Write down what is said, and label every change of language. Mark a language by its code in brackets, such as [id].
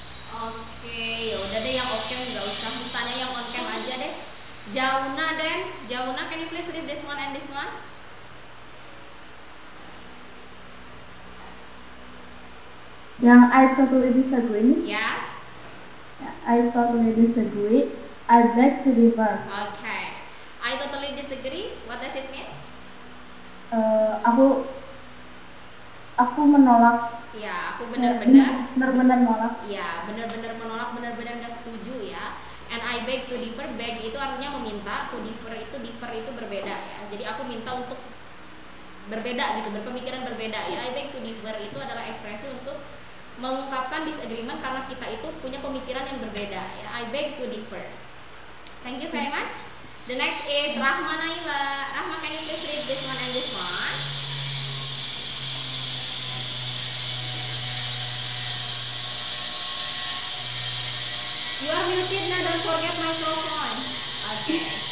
[id] Okay, yaudah deh yang okay enggak usah. Misalnya yang on cam aja deh. Jauna, then. [en] Jauna, can you please read this one and this one? Yang I totally disagree. Yes. I totally disagree. I beg to differ. Okay. I totally disagree. What does it mean? [id] Aku menolak. Ya, aku benar-benar menolak. Ya, benar-benar menolak, benar-benar enggak setuju ya. [en] And I beg to differ. [id] Beg itu artinya meminta, to differ itu berbeda ya. Jadi aku minta untuk berbeda gitu, berpemikiran berbeda ya. [en] I beg to differ [id] itu adalah ekspresi untuk mengungkapkan disagreement karena kita itu punya pemikiran yang berbeda ya. [en] I beg to differ. Thank you very much. The next is Rahma Naila. Rahma, can you please read this one and this one? You are muted now, don't forget microphone. Okay.